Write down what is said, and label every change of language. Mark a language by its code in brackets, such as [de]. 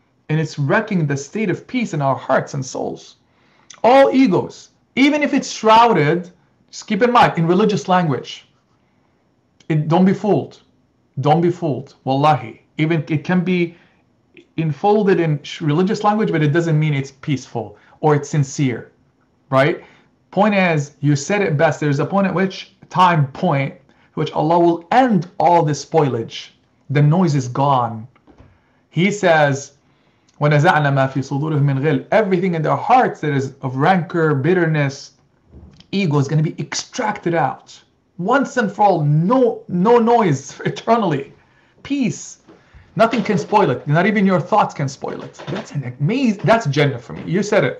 [en] And it's wrecking the state of peace in our hearts and souls. All egos, even if it's shrouded, just keep in mind, in religious language, don't be fooled. Don't be fooled. Wallahi. Even it can be enfolded in religious language, but it doesn't mean it's peaceful or it's sincere, right? Point is, you said it best, there's a point at which time point which Allah will end all this spoilage. The noise is gone. He says, [ar] وَنَزَعْنَا مَا فِي صُدُورِهِ مِنْ غِلْ. [en] Everything in their hearts that is of rancor, bitterness, ego is going to be extracted out. Once and for all, no noise eternally. Peace. Nothing can spoil it. Not even your thoughts can spoil it. That's an amazing, that's Jannah for me. You said it.